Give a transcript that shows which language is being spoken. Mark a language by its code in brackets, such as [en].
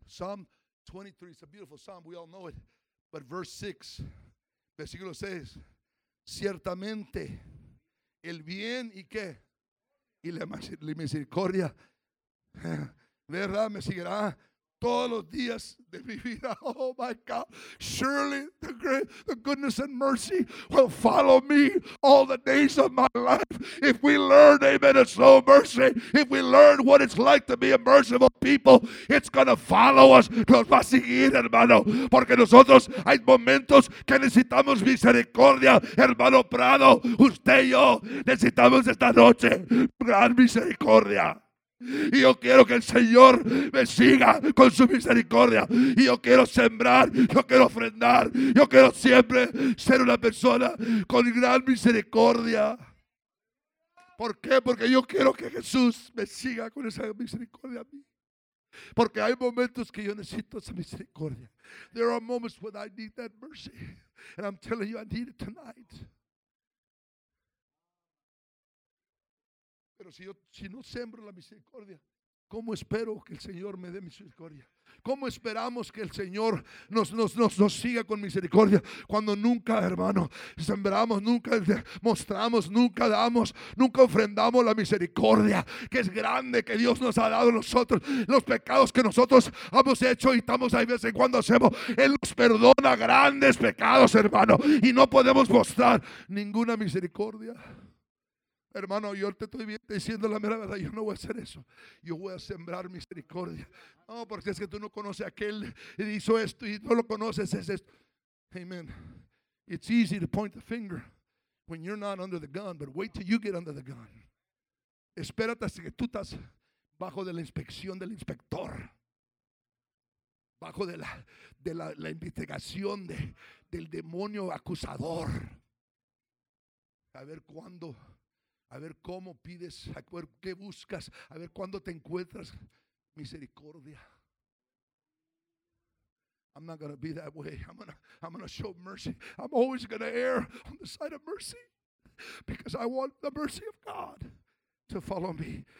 [en] Psalm 23, it's a beautiful psalm. We all know it. But verse 6, [es] versículo 6. Ciertamente, el bien y qué? Y la misericordia. Verdad, me seguirá todos los días de mi vida. [en] Oh my God, surely the goodness and mercy will follow me all the days of my life. If we learn, amen, to show mercy, if we learn what it's like to be a merciful people, it's going to follow us. [es] Nos va a seguir, hermano, porque nosotros hay momentos que necesitamos misericordia, hermano Prado. Usted y yo necesitamos esta noche gran misericordia. Y yo quiero que el Señor me siga con su misericordia. Y yo quiero sembrar, yo quiero ofrendar, yo quiero siempre ser una persona con gran misericordia. ¿Por qué? Porque yo quiero que Jesús me siga con esa misericordia a mí. Porque hay momentos que yo necesito esa misericordia. [en] There are moments when I need that mercy. And I'm telling you, I need it tonight. [es] Pero si no sembro la misericordia, ¿cómo espero que el Señor me dé misericordia? ¿Cómo esperamos que el Señor nos siga con misericordia cuando nunca, hermano, sembramos, nunca mostramos, nunca damos, nunca ofrendamos la misericordia que es grande que Dios nos ha dado a nosotros? Los pecados que nosotros hemos hecho y estamos ahí de vez en cuando hacemos, Él nos perdona grandes pecados, hermano, y no podemos mostrar ninguna misericordia. Hermano, yo te estoy diciendo la mera verdad, yo no voy a hacer eso. Yo voy a sembrar misericordia. No, porque es que tú no conoces a aquel y hizo esto y no lo conoces, es esto. Amen. [en] It's easy to point the finger when you're not under the gun, but wait till you get under the gun. [es] Espérate hasta que tú estás bajo de la inspección del inspector. Bajo de la investigación del demonio acusador. A ver cómo pides, a ver qué buscas, a ver cuándo te encuentras misericordia. [en] I'm not going to be that way. I'm going to show mercy. I'm always going to err on the side of mercy because I want the mercy of God to follow me.